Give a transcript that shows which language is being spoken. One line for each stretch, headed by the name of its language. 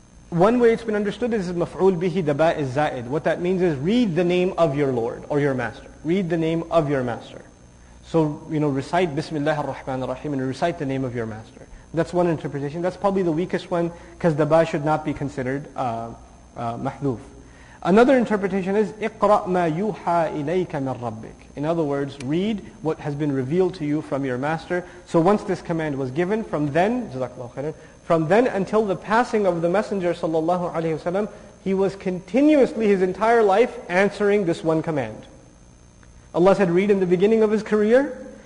English: One way it's been understood is maf'ul bihi daba is za'id. What that means is read the name of your Lord or your Master. Read the name of your Master. So, you know, recite Bismillah ar-Rahman ar-Rahim and recite the name of your Master. That's one interpretation. That's probably the weakest one because daba should not be considered mahduf. Another interpretation is
Arabic: اقرأ ما يوحى إليك من ربك.
English: In other words, read what has been revealed to you from your Master. So once this command was given, from then, Jazakallahu khairan, from then until the passing of the Messenger sallallahu alaihi wasallam, he was continuously his entire life answering this one command. Allah said, read in the beginning of his career.